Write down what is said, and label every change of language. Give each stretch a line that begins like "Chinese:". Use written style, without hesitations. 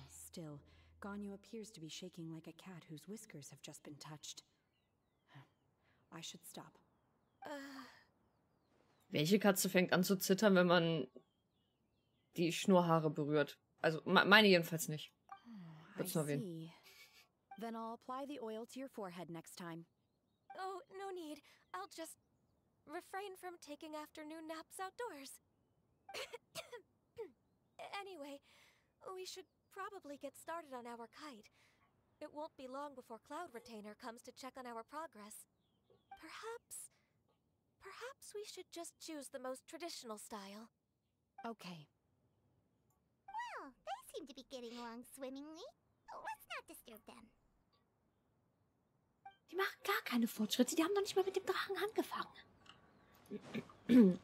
English: Still, Ganyu appears to be shaking like a cat whose whiskers have just been touched. I should stop.
German: Welche Katze fängt an zu zittern, wenn man die Schnurrhaare berührt? Also, meine jedenfalls nicht. Wird's nur wehen.
English: Then I'll apply the oil to your forehead next time. Oh, no need. I'll just refrain from taking afternoon naps outdoors. Anyway, we should probably get started on our kite. It won't be long before Cloud Retainer comes to check on our progress. Perhaps we should just choose the most traditional style. Okay. Well, they seem to be getting along swimmingly. Let's not disturb them.
German: Die machen gar keine Fortschritte. Die haben noch nicht mal mit dem Drachen angefangen.